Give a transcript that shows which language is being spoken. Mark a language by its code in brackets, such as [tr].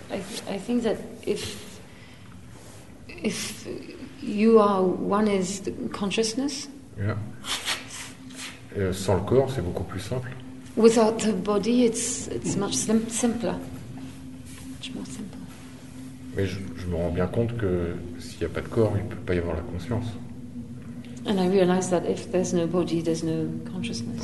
[en] I think that if you are one is the consciousness. Yeah. [fr] Et sans le corps, c'est beaucoup plus simple. [en] Without the body, it's much simpler. Much more simple. [fr] Mais je me rends bien compte que s'il n'y a pas de corps, il ne peut pas y avoir la conscience. [en] And I realize that if there's no body, there's no consciousness.